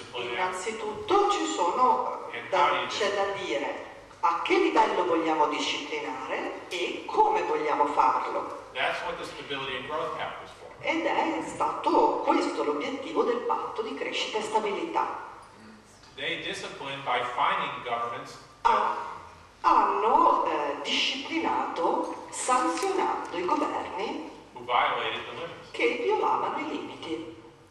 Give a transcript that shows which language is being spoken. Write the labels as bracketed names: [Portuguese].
[Italian] Innanzitutto ci sono c'è da dire a che livello vogliamo disciplinare e come vogliamo farlo. [English] That's what the stability and growth pact was for. [Italian] Ed è stato questo l'obiettivo del patto di crescita e stabilità. [English] They disciplined by fining governments. [Italian] Hanno disciplinato, sanzionando i governi che violavano i limiti.